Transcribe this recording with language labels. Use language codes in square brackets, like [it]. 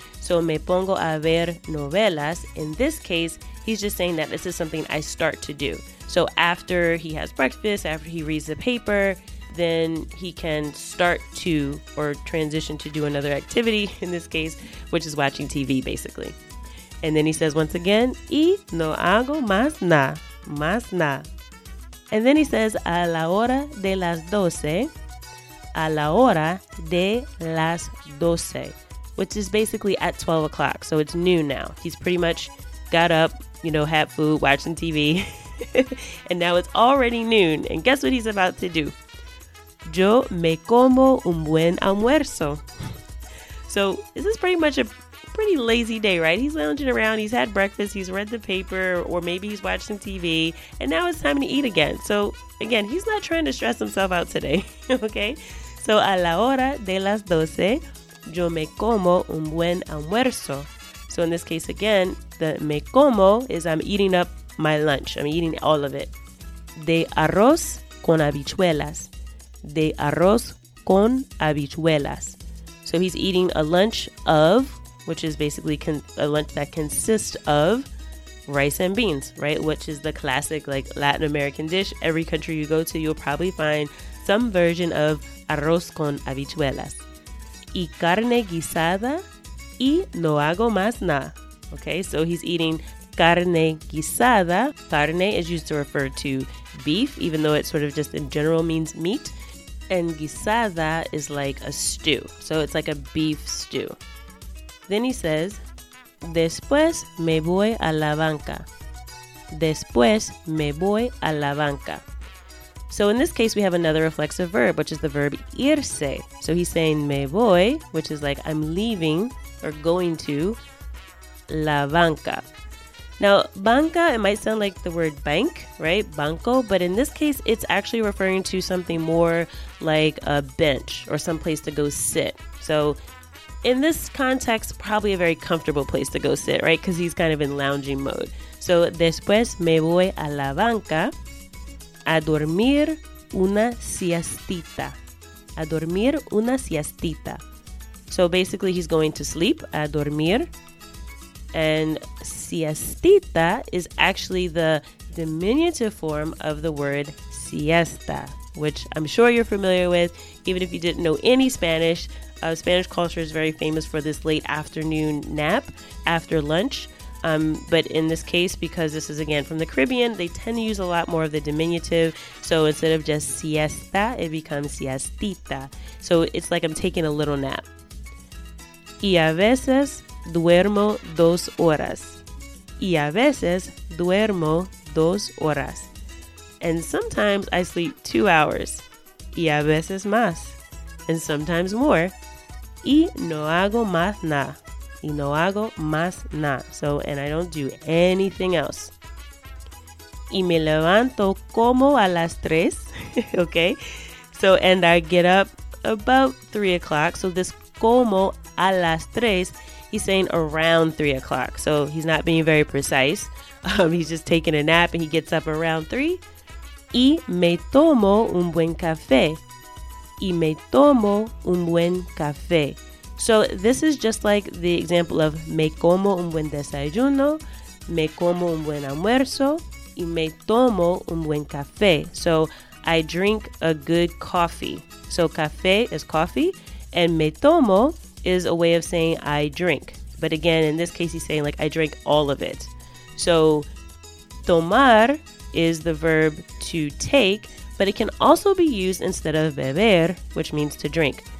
[en] So, [es] me pongo a ver novelas. [en] In this case, he's just saying that this is something I start to do. So after he has breakfast, after he reads the paper, then he can start to or transition to do another activity in this case, which is watching TV basically. And then he says once again, [es] y no hago más nada, más nada. [en] And then he says, [es] a la hora de las doce, [en] a la hora de las doce, which is basically at 12 o'clock. So it's noon now. He's pretty much got up, you know, had food, watching TV. And now it's already noon. And guess what he's about to do? [es] Yo me como un buen almuerzo. [en] So this is pretty much a pretty lazy day, right? He's lounging around. He's had breakfast. He's read the paper. Or maybe he's watched some TV. And now it's time to eat again. So again, he's not trying to stress himself out today. Okay? [es] So a la hora de las doce, yo me como un buen almuerzo. [en] So in this case, again, the [es] me como [en] is I'm eating up my lunch. I'm eating all of it. [es] De arroz con habichuelas. De arroz con habichuelas. [en] So he's eating a lunch of, which is basically a lunch that consists of rice and beans, right? Which is the classic like Latin American dish. Every country you go to, you'll probably find some version of arroz con habichuelas. [es] Y carne guisada y no hago más nada. [en] Okay, so he's eating carne guisada. Carne is used to refer to beef, even though it sort of just in general means meat. And guisada is like a stew. So it's like a beef stew. Then he says, [es] después me voy a la banca. Después me voy a la banca. [en] So in this case, we have another reflexive verb, which is the verb irse. So he's saying [es] me voy, [en] which is like I'm leaving or going to la banca. Now, banca, it might sound like the word bank, right? Banco. But in this case, it's actually referring to something more like a bench or some place to go sit. So in this context, probably a very comfortable place to go sit, right? Because he's kind of in lounging mode. [es] So después me voy a la banca a dormir una siestita. A dormir una siestita. [en] So basically, he's going to sleep, [es] a dormir. [en] And siestita is actually the diminutive form of the word siesta, which I'm sure you're familiar with, even if you didn't know any Spanish. Spanish culture is very famous for this late afternoon nap after lunch. But in this case, because this is, again, from the Caribbean, they tend to use a lot more of the diminutive. So instead of just siesta, it becomes siestita. So it's like I'm taking a little nap. [es] Y a veces duermo dos horas. Y a veces duermo dos horas. [en] And sometimes I sleep 2 hours. [es] Y a veces más. [en] And sometimes more. [es] Y no hago más nada. Y no hago más nada. [en] So, and I don't do anything else. [es] Y me levanto como a las tres. [en] Okay. So, and I get up about 3 o'clock. So this [es] como a las tres, [en] He's saying around 3 o'clock. So he's not being very precise. He's just taking a nap and he gets up around 3. [es] Y me tomo un buen café. Y me tomo un buen café. [en] So this is just like the example of [es] me como un buen desayuno, me como un buen almuerzo, y me tomo un buen café. [en] So I drink a good coffee. So café is coffee, and me tomo is a way of saying I drink. But again, in this case, he's saying like I drink all of it. So tomar is the verb to take, but it can also be used instead of beber, which means to drink.